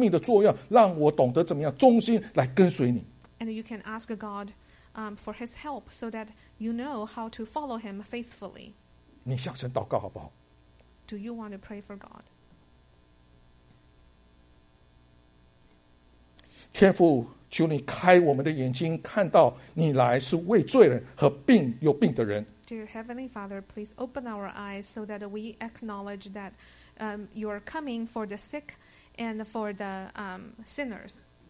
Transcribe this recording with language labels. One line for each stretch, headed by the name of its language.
Chinese: 也向神求说，主啊，你帮助我先在我生命当中起生命的作用，让我懂得怎么样忠心来跟随你。
English: And you can ask God, for His help, so that you know how to follow Him faithfully.
Chinese: 你向神祷告好不好？
English: Do you want to pray for God?
Chinese: 天父，求你开我们的眼睛，看到你来是为罪人和病有病的人。
English: Dear Heavenly Father, please open our eyes so that we acknowledge that you are coming for the sick and for the sinners.